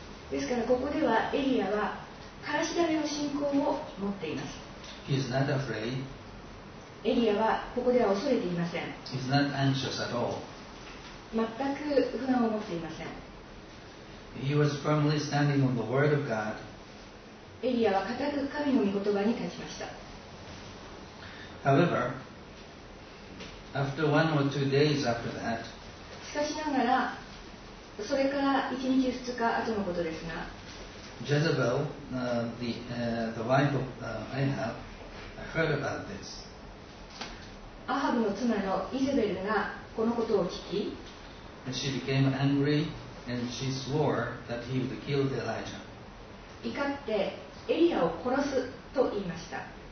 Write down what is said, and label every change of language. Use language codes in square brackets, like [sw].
[ja] ですからここではエリアはからし種の信仰を持っています。 [en] He is not afraid. [ja] エリアはここでは恐れていません。 [en] He's not anxious at all. [ja] 全く不安を持っていません。 [en] He was firmly standing on the word of God. [ja] エリアは固く神の御言葉に立ちました。 [en] However, after one or two days after that, [ja] しかしながら、それから1日2日後のことですが、 [en] Jezebel, the wife of Ahab, heard about this. [ja] アハブの妻のイゼベルがこのことを聞き、 [en] She became angry and she swore that he would kill Elijah. [ja] 怒ってエリアを殺すと言いました。